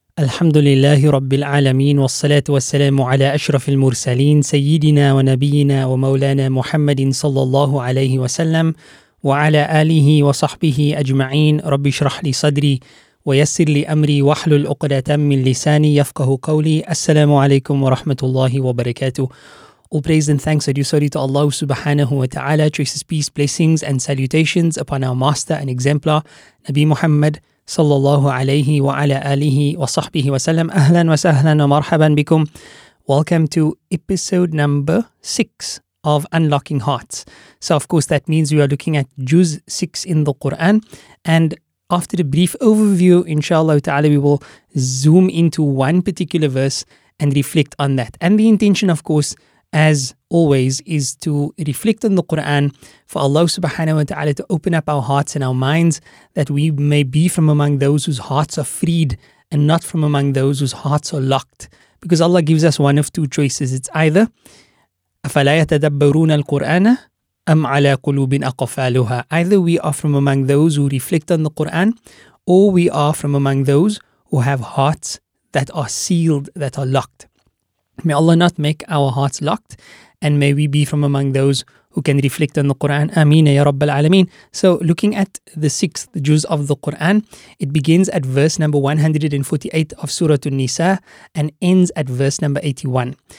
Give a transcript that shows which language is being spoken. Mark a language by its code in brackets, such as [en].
[ar] الحمد لله رب العالمين، والصلاة والسلام على أشرف المرسلين سيدنا ونبينا ومولانا محمد صلى الله عليه وسلم وعلى آله وصحبه أجمعين. رب اشرح لي صدري ويسر لي أمري واحلل عقدة من لساني يفقه قولي. السلام عليكم ورحمة الله وبركاته. [en] All praise and thanks are due solely to Allah subhanahu wa ta'ala. Choices, peace, blessings and salutations upon our master and exemplar Nabi Muhammad sallallahu alayhi wa ala alihi wa sahbihi wa salam. Ahlan wa sahlan wa marhaban bikum. Welcome to episode number 6 of Unlocking Hearts. So of course that means we are looking at Juz 6 in the Quran. And after the brief overview, inshallah ta'ala, we will zoom into one particular verse and reflect on that. And the intention, of course, as always, is to reflect on the Quran for Allah subhanahu wa ta'ala to open up our hearts and our minds, that we may be from among those whose hearts are freed and not from among those whose hearts are locked. Because Allah gives us one of two choices. It's either [ar] أَفَلَا يَتَدَبَّرُونَ الْقُرْآنَ أَمْ عَلَىٰ قُلُوبٍ أَقَفَالُهَا. [en] Either we are from among those who reflect on the Quran, or we are from among those who have hearts that are sealed, that are locked. May Allah not make our hearts locked, and may we be from among those who can reflect on the Quran. Ameen ya Rabbal Alameen. So looking at the sixth juz of the Quran, it begins at verse number 148 of Surah An-Nisa and ends at verse number 81.